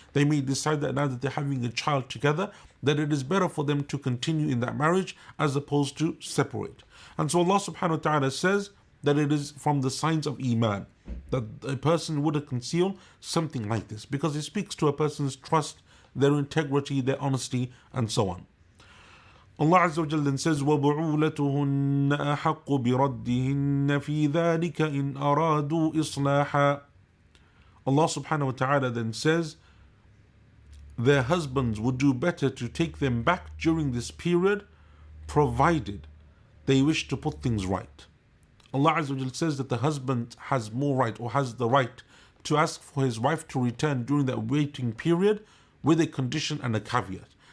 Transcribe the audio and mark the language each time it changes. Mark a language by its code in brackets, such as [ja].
[en] They may decide that now that they're having a child together, that it is better for them to continue in that marriage as opposed to separate. And so Allah subhanahu wa ta'ala says that it is from the signs of iman that a person would have concealed something like this, because it speaks to a person's trust, their integrity, their honesty, and so on. [ar] Allah Azza wa Jalla says, وَبُعُولَتُهُنَّ أَحَقُّ بِرَدِّهِنَّ فِي ذَٰلِكَ إِنْ أَرَادُوا إِصْلَاحًا. [en] Allah subhanahu wa ta'ala then says, their husbands would do better to take them back during this period, provided they wish to put things right. Allah Azza wa Jalla says that the husband has more right, or has the right, to ask for his wife to return during that waiting period with a condition and a caveat.